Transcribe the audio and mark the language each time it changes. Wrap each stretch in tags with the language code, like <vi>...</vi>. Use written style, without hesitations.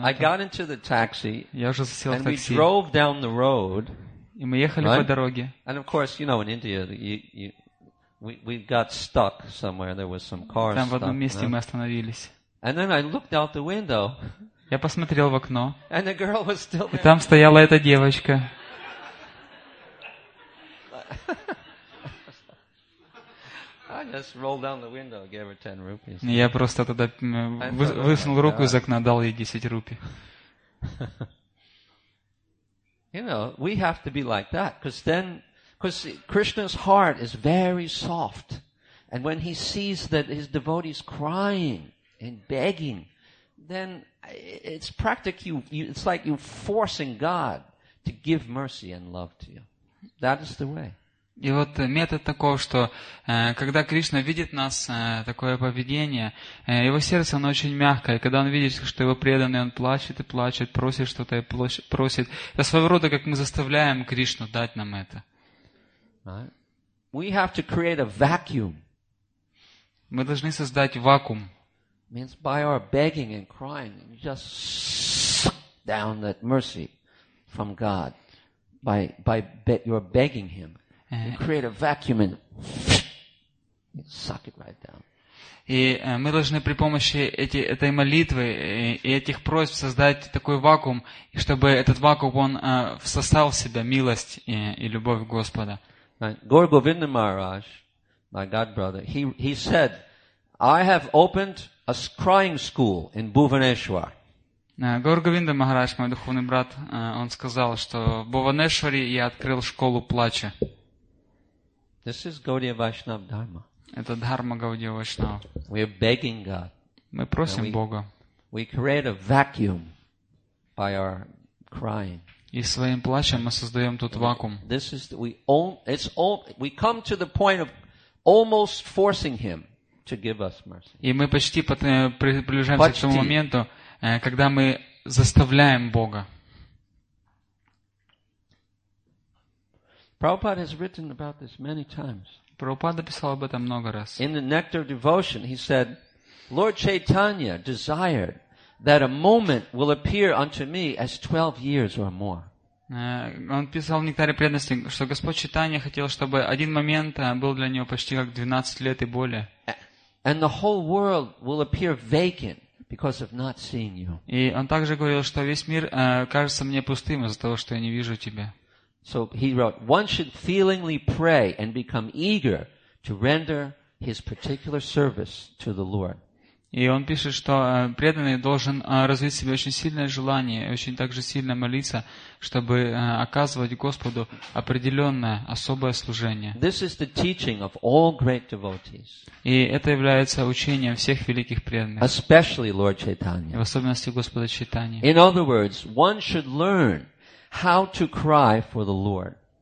<en>I got into the taxi.</en> <ru>Я уже засел в такси.</ru> <en>And we drove down the road.</en> <ru>И мы ехали по дороге.</ru> <en>And of course, you know, in India, we got stuck somewhere. There was some cars stuck.</en> <ru>Там в одном месте мы остановились.</ru> <en>And then I looked out the window.</en> <ru>Я посмотрел в окно.</ru> <en>And the girl was still there.</en> <ru>И там стояла эта девочка.</ru> <en>I just rolled down the window, gave her 10 rupees.</en> <ru>Я просто тогда высунул руку из окна, дал ей 10 рупий.</ru> <en>You know, we have to be like that, because then. Because Krishna's heart is very soft, and when he sees that his devotees crying and begging, then it's practically it's like you forcing God to give mercy and love to you. That is the way.</en> <ru>И вот метод такой, что когда Кришна видит нас такое поведение, его сердце оно очень мягкое, когда он видит, что его преданный, он плачет и плачет, просит что-то и просит. Это своего рода, как мы заставляем Кришну дать нам это.</ru> <en>Right. We have to create a vacuum.</en> <ru>Мы должны создать вакуум.</ru> <en>Means by our begging and crying, you just suck down that mercy from God. you're begging him. You create a vacuum and suck it right down.</en> <ru>И мы должны при помощи этой молитвы и этих просьб создать такой вакуум, чтобы этот вакуум он всосал в себя милость и любовь Господа.</ru> <en>Гуру Говинда Махарадж, my god brother, he said, I have opened a crying school in Bhuvaneshwar.</en> <ru>Гуру Говинда Махарадж, мой духовный брат, он сказал, что в Бхуванешваре я открыл школу плача.</ru> <en>This is Gaudiya Vaishnav Dharma.</en> <ru>Это дхарма Гаудия Вайшнава.</ru> <en>We are begging God.</en> <ru>Мы просим Бога.</ru> <en>We create a vacuum by our crying.</en> <ru>И своим плачем мы создаем тут вакуум.</ru> <en>This is we come to the point of almost forcing him to give us mercy.</en> <ru>И мы почти приближаемся к тому моменту, когда мы заставляем Бога.</ru> <en>Prabhupada has written about this many times.</en> <ru>Прабхупада писал об этом много раз.</ru> <en>In the Nectar of Devotion, he said, Lord Chaitanya desired that a moment will appear unto me as 12 years or more.</en> <ru>Он писал в Нектаре преданности, что Господь Чайтанья хотел, чтобы один момент был для него почти как 12 лет и более.</ru> <en>And the whole world will appear vacant because of not seeing you.</en> <ru>И он также говорил, что весь мир кажется мне пустым из-за того, что я не вижу тебя.</ru> <en>So he wrote, one should feelingly pray and become eager to render his particular service to the Lord.</en> <ru>И он пишет, что преданный должен развить в себе очень сильное желание и очень также сильно молиться, чтобы оказывать Господу определенное особое служение.</ru> <en>This is the teaching of all great devotees.</en> <ru>И это является учением всех великих преданных.</ru> <en>Especially Lord Chaitanya.</en> <ru>В особенности Господа Чайтаньи.</ru> <en>In other words, one should learn how to cry for the Lord.</en>